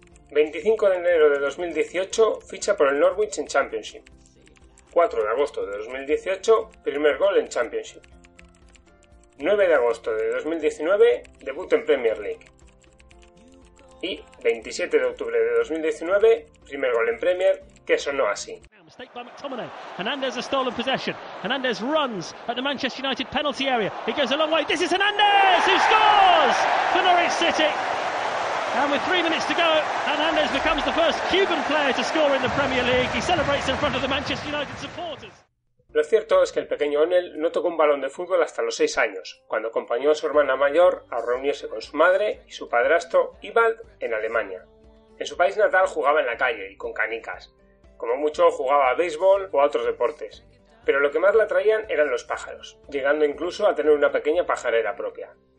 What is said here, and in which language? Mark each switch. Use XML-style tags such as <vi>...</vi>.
<es>25 de enero de 2018, ficha por el Norwich en Championship. 4 de agosto de 2018, primer gol en Championship. 9 de agosto de 2019, debut en Premier League. Y 27 de octubre de 2019, primer gol en Premier, que sonó así.</es> <en>Mistake by McTominay. Hernández has stolen possession. Hernández runs at the Manchester United penalty area. He goes a long way. This is Hernández who scores for Norwich City. And with 3 minutes to go, Hernández becomes the first Cuban player to score in the Premier League. He celebrates in front of the Manchester United supporters.</en> <es>Lo cierto es que el pequeño Onel no tocó un balón de fútbol hasta los 6 años, cuando acompañó a su hermana mayor a reunirse con su madre y su padrastro Ibald en Alemania. En su país natal jugaba en la calle y con canicas. Como mucho jugaba a béisbol o a otros deportes, pero lo que más le atraían eran los pájaros, llegando incluso a tener una pequeña pajarera propia.</es>